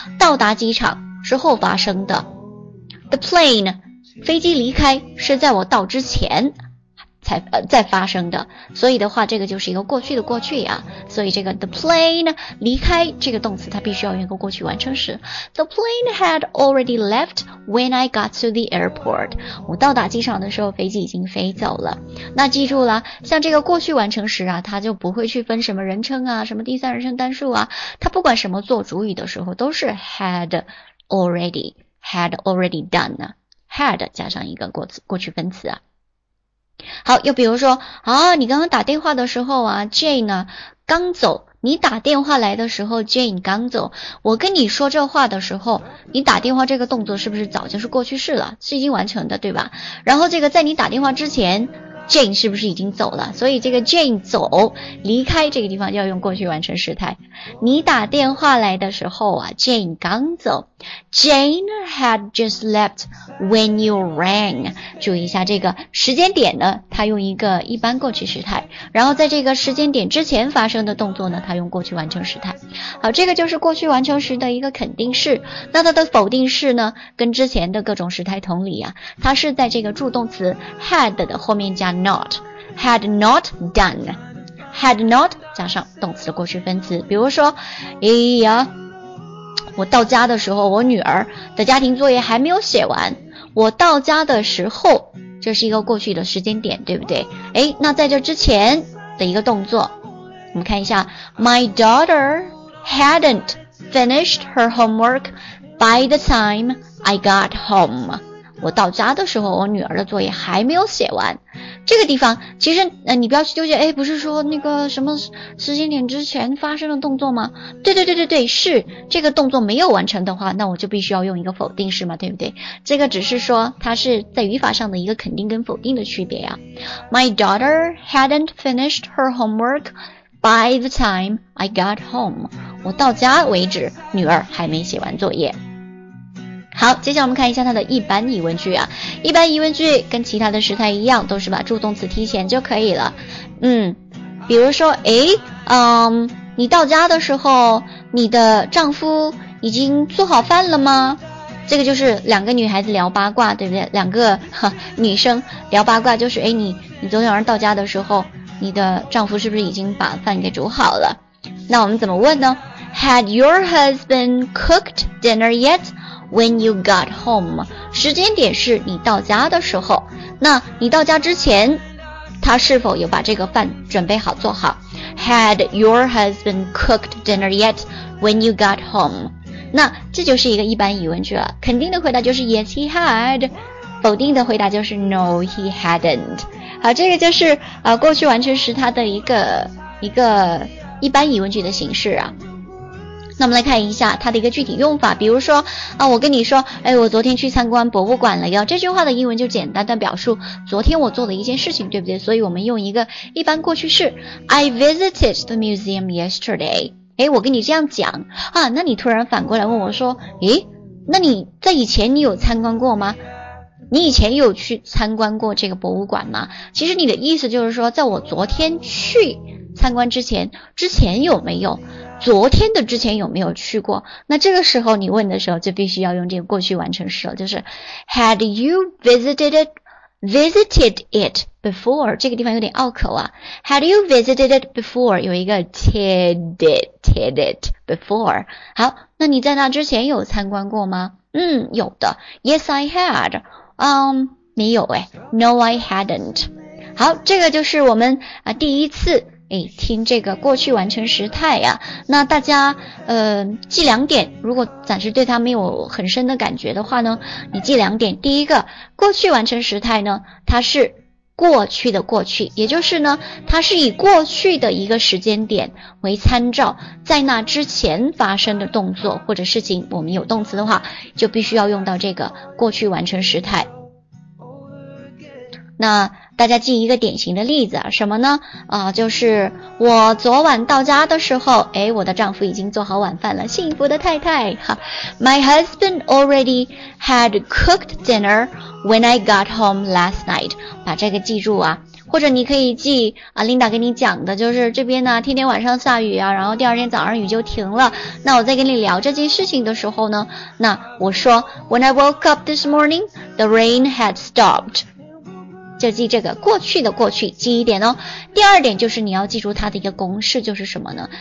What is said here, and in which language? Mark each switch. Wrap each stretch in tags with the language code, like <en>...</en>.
<zh>到达机场之后发生的。</zh> <en>The plane,</en> <zh>飞机离开是在我到之前才再发生的，所以的话这个就是一个过去的过去啊，所以这个</zh> <en>the plane</en> <zh>离开这个动词它必须要用一个过去完成时。</zh> <en>The plane had already left when I got to the airport.</en> <zh>我到达机场的时候飞机已经飞走了。那记住了，像这个过去完成时啊，它就不会去分什么人称啊，什么第三人称单数啊，它不管什么做主语的时候都是</zh> <en>had already done，</en> <zh>had 加上一个过去分词啊。好，又比如说啊，你刚刚打电话的时候啊 ，Jane 呢刚走。你打电话来的时候 ，Jane 刚走。我跟你说这话的时候，你打电话这个动作是不是早就是过去式了？是已经完成的，对吧？然后这个在你打电话之前 ，Jane 是不是已经走了？所以这个 Jane 走离开这个地方就要用过去完成时态。你打电话来的时候啊 ，Jane 刚走。</zh> <en>Jane had just left when you rang。</en> <zh>注意一下这个时间点呢，它用一个一般过去时态。然后在这个时间点之前发生的动作呢，它用过去完成时态。好，这个就是过去完成时的一个肯定式。那它的否定式呢，跟之前的各种时态同理啊，它是在这个助动词 had 的后面加 not。</zh> <en>had not done。 had not</en> <zh>加上动词的过去分词。比如说，哎呀，我到家的时候我女儿的家庭作业还没有写完。我到家的时候，这是一个过去的时间点，对不对？诶，那在这之前的一个动作，我们看一下</zh> <en>My daughter hadn't finished her homework by the time I got home。</en> <zh>我到家的时候我女儿的作业还没有写完。这个地方其实你不要去纠结，诶，不是说那个什么时间点之前发生的动作吗？对对对对对，是这个动作没有完成的话，那我就必须要用一个否定式嘛，对不对？这个只是说它是在语法上的一个肯定跟否定的区别啊。</zh> <en>My daughter hadn't finished her homework by the time I got home。</en> <zh>我到家为止女儿还没写完作业。好，接下来我们看一下它的一般疑问句啊。一般疑问句跟其他的时态一样，都是把助动词提前就可以了。嗯，比如说，诶，你到家的时候，你的丈夫已经做好饭了吗？这个就是两个女孩子聊八卦，对不对？两个女生聊八卦就是，诶，你昨天晚上到家的时候，你的丈夫是不是已经把饭给煮好了？那我们怎么问呢？</zh> <en>Had your husband cooked dinner yet? When you got home，</en> <zh>时间点是你到家的时候，那你到家之前他是否有把这个饭准备好做好？</zh> <en>Had your husband cooked dinner yet when you got home？</en> <zh>那这就是一个一般疑问句了，肯定的回答就是</zh> <en>yes he had，</en> <zh>否定的回答就是</zh> <en>no he hadn't。</en> <zh>好，这个就是过去完成时它的一个一般疑问句的形式啊。那我们来看一下它的一个具体用法，比如说啊，我跟你说，哎，我昨天去参观博物馆了哟。这句话的英文就简单的表述昨天我做了一件事情，对不对？所以我们用一个一般过去式 ，</zh> <en>I visited the museum yesterday。</en> <zh>哎，我跟你这样讲啊，那你突然反过来问我说，诶，那你在以前你有参观过吗？你以前有去参观过这个博物馆吗？其实你的意思就是说，在我昨天去参观之前有没有？昨天的之前有没有去过？那这个时候你问的时候就必须要用这个过去完成式了，就是</zh> <en>Had you visited it before？</en> <zh>这个地方有点拗口啊。</zh> <en>Had you visited it before？</en> <zh>有一个</zh> <en>did it before。</en> <zh>好，那你在那之前有参观过吗？嗯，有的。</zh> <en>Yes I had。</en> <zh>没有诶。</zh> <en>No I hadn't。</en> <zh>好，这个就是我们第一次诶，听这个过去完成时态啊。那大家记两点，如果暂时对它没有很深的感觉的话呢，你记两点。第一个，过去完成时态呢，它是过去的过去，也就是呢，它是以过去的一个时间点为参照，在那之前发生的动作或者事情，我们有动词的话就必须要用到这个过去完成时态。那大家记一个典型的例子，什么呢？就是我昨晚到家的时候，诶，我的丈夫已经做好晚饭了，幸福的太太。</zh> <en>My husband already had cooked dinner when I got home last night。</en> <zh>把这个记住啊，或者你可以记啊 Linda 跟你讲的，就是这边呢天天晚上下雨啊，然后第二天早上雨就停了，那我在跟你聊这件事情的时候呢，那我说</zh> <en>When I woke up this morning the rain had stopped。</en> <zh>就记这个过去的过去，记一点哦。第二点就是你要记住它的一个公式，就是什么呢？</zh>